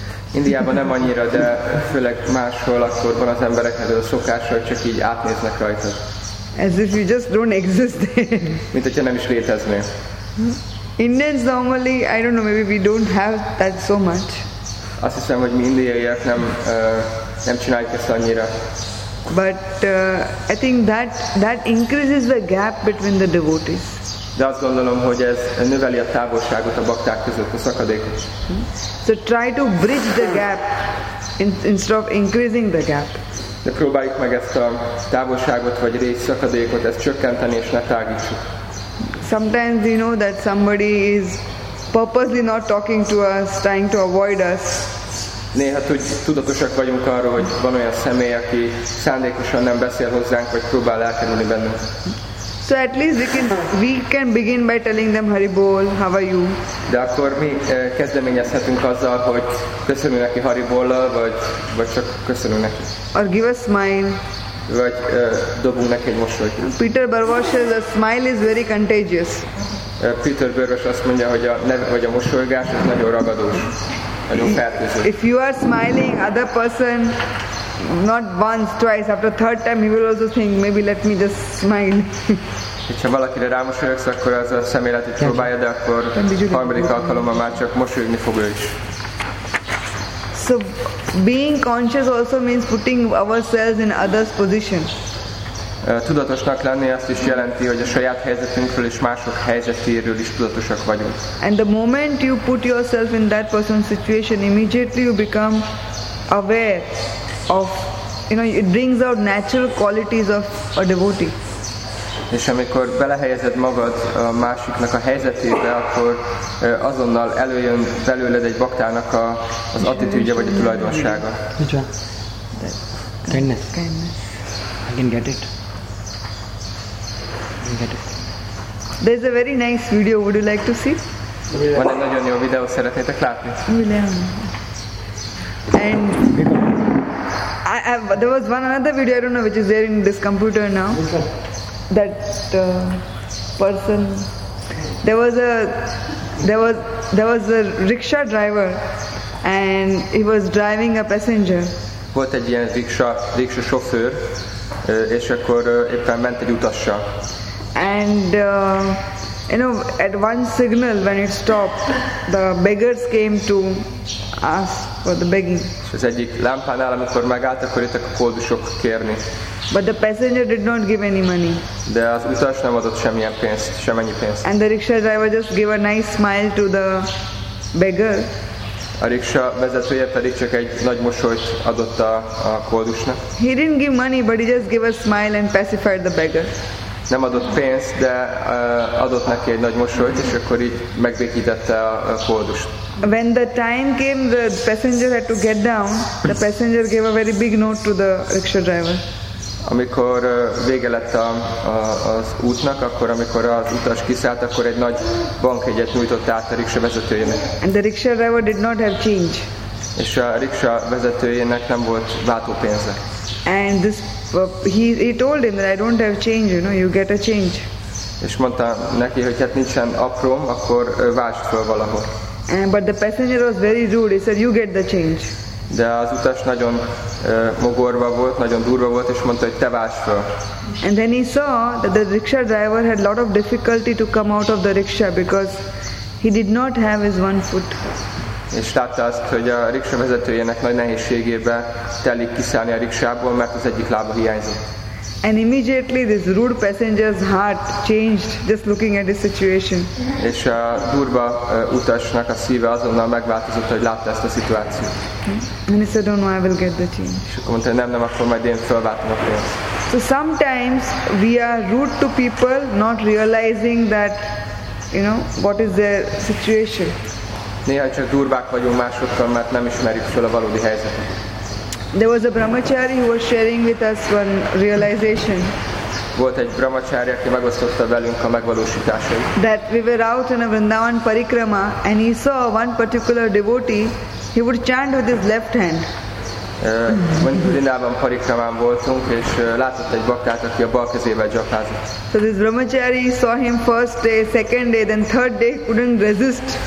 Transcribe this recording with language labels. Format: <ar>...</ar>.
<hu>Indiában nem annyira, de főleg máshol, akkor van az embereknek a szokása, hogy csak így átnéznek rajtad.</hu> <en>As if you just don't exist there.</en> <hu>Mint hogyha nem is léteznél.</hu> <en>Indians normally, I don't know, maybe we don't have that so much.</en> <hu>Azt hiszem, hogy mi indiaiak nem csináljuk ezt annyira.</hu> <en>But I think that increases the gap between the devotees.</en> <hu>De azt gondolom, hogy ez növeli a távolságot a bakták között, a szakadékot.</hu> <en>So try to bridge the gap instead of increasing the gap.</en> <hu>De próbáljuk meg ezt a távolságot vagy rész szakadékot, ezt csökkenteni és ne tágítsuk.</hu> <en>Sometimes you know that somebody is purposely not talking to us, trying to avoid us.</en> <hu>Néha tudatosak vagyunk arról, hogy van olyan személy, aki szándékosan nem beszél hozzánk, vagy próbál elkerülni bennünk.</hu> <en>So at least we can begin by telling them Hari Bol, how are you?</en> <hu>De akkor mi kezdeményezhetünk azzal, hogy köszönünk neki Hari Bollal, vagy csak köszönünk neki.</hu> <en>Or give a smile.</en> <hu>Vagy dobunk neki egy mosolyt.</hu> <en>Peter Barwas says a smile is very contagious.</en> <hu>Peter Barwas azt mondja, hogy a mosolygás nagyon ragadós.</hu> <en>If you are smiling, other person, not once, twice, after third time, he will also think, maybe let me just smile.</en> <hu>Hogyha valakire rámosolyogsz, akkor az a szemléletet próbálja, de akkor harmadik alkalommal már csak mosolyogni fog ő is.</hu> <en>So, being conscious also means putting ourselves in others' position.</en> <hu>Tudatosnak lenni azt is jelenti, hogy a saját helyzetünkről és mások helyzetéről is tudatosak vagyunk.</hu> <en>And the moment you put yourself in that person's situation, immediately you become aware of, you know, it brings out natural qualities of a devotee.</en> <hu>És amikor belehelyezed magad a másiknak a helyzetébe, akkor azonnal előjön belőled egy baktának a, az attitűdje vagy a tulajdonsága.</hu> <en>Which one? Kindness. Kindness. I can get it. I can get it. There's a very nice video, would you like to see?</en> <hu>Van egy nagyon jó videó, szeretnétek látni?</hu> <en>And there was one another video, I don't know which is there in this computer now. That person, there was a rickshaw driver, and he was driving a passenger.</en> <hu>Volt egy ilyen rickshaw sofőr, és akkor éppen ment egy utassal.</hu> <en>And you know, at one signal when it stopped, the beggars came to ask for the begging.</en> <hu>Az egyik lámpánál, amikor megállt, akkor jöttek a koldusok kérni.</hu> <en>But the passenger did not give any money.</en> <hu>De az utas nem adott semmilyen pénzt, semennyi pénzt.</hu> <en>And the rickshaw driver just gave a nice smile to the beggar.</en> <hu>A rickshaw vezetője pedig csak egy nagy mosolyt adott a koldusnak.</hu> <en>He didn't give money, but he just gave a smile and pacified the beggar.</en> <hu>Nem adott pénzt, de adott neki egy nagy mosolyt, és akkor így megbékítette a koldust.</hu> <en>When the time came, the passenger had to get down. The passenger gave a very big note to the rickshaw driver.</en> <hu>Amikor vége lett az útnak, akkor amikor az utas kiszállt, akkor egy nagy bankjegyet nyújtott át a rickshaw vezetőjének.</hu> <en>And the rickshaw driver did not have change.</en> <hu>És a rickshaw vezetőjének nem volt váltópénze.</hu> <en>And this, he told him that I don't have change, you know, you get a change.</en> <hu>És mondta neki, hogy hát nincsen aprom, akkor váltsd fel valahol.</hu> <en>And, but the passenger was very rude, he said, you get the change.</en> <hu>De az utas nagyon mogorva volt, nagyon durva volt, és mondta, hogy te válts fel.</hu> <en>And then he saw that the rickshaw driver had a lot of difficulty to come out of the rickshaw because he did not have his one foot.</en> <hu>És látta azt, hogy a rickshaw vezetőjének nagy nehézségébe telik kiszállni a rickshawból, mert az egyik lába hiányzott.</hu> <en>And immediately this rude passenger's heart changed just looking at the situation.</en> <hu>És a durva utasnak a szíve azonnal megváltozott, hogy látta ezt a szituációt.</hu> <en>And he said, oh no, I will get the change.</en> <hu>És akkor mondta, nem, akkor majd én felváltom a pénzt.</hu> <en>So sometimes we are rude to people, not realizing that, you know, what is their situation.</en> <hu>Néha csak durvák vagyunk másokkal, mert nem ismerjük fel a valódi helyzetet.</hu> <en>There was a brahmachari who was sharing with us one realization.</en> <hu>Volt egy brahmachari, aki megosztotta velünk a megvalósításait.</hu> <en>That we were out in a Vrindavan parikrama and he saw one particular devotee, he would chant with his left hand.</en> <hu>Vrindavan parikramán voltunk és látott egy baktát, aki a bal kezével japázott.</hu> <en>So this brahmachari saw him first day, second day, then third day couldn't resist.</en>